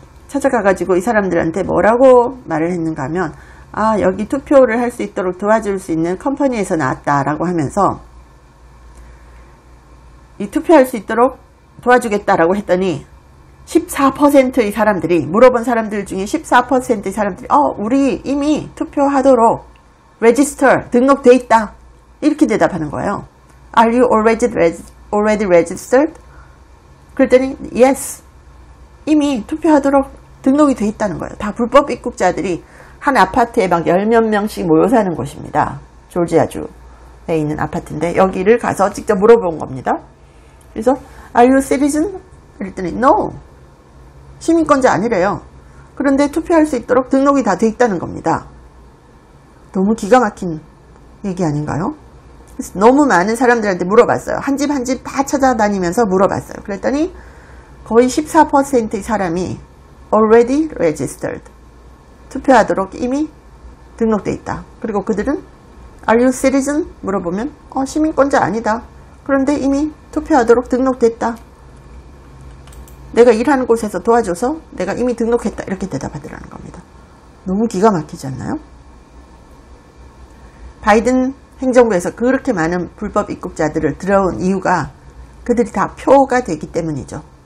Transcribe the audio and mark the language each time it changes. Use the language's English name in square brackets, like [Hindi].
[Korean] 찾아가가지고 이 사람들한테 뭐라고 말을 했는가 하면, 아, 여기 투표를 할 수 있도록 도와줄 수 있는 컴퍼니에서 나왔다라고 하면서, 이 투표할 수 있도록 도와주겠다라고 했더니, 14%의 사람들이, 물어본 사람들 중에 14%의 사람들이, 우리 이미 투표하도록 register, 등록돼 있다. 이렇게 대답하는 거예요. [English] Are you already registered? [Korean] 그랬더니, yes. 이미 투표하도록 등록이 돼 있다는 거예요. 다 불법 입국자들이 한 아파트에 막 열몇 명씩 모여 사는 곳입니다. 조지아주에 있는 아파트인데, 여기를 가서 직접 물어본 겁니다. 그래서, [English] Are you a citizen? [Korean] 그랬더니, no. 시민권자 아니래요. 그런데 투표할 수 있도록 등록이 다 돼 있다는 겁니다. 너무 기가 막힌 얘기 아닌가요? 그래서 너무 많은 사람들한테 물어봤어요. 한 집 한 집 다 찾아다니면서 물어봤어요. 그랬더니 거의 14%의 사람이 [English] already registered. [Korean] 투표하도록 이미 등록돼 있다. 그리고 그들은 [English] Are you citizen? [Korean] 물어보면 시민권자 아니다. 그런데 이미 투표하도록 등록됐다. 내가 일하는 곳에서 도와줘서 내가 이미 등록했다. 이렇게 대답하더라는 겁니다. 너무 기가 막히지 않나요? 바이든 행정부에서 그렇게 많은 불법 입국자들을 들어온 이유가 그들이 다 표가 되기 때문이죠.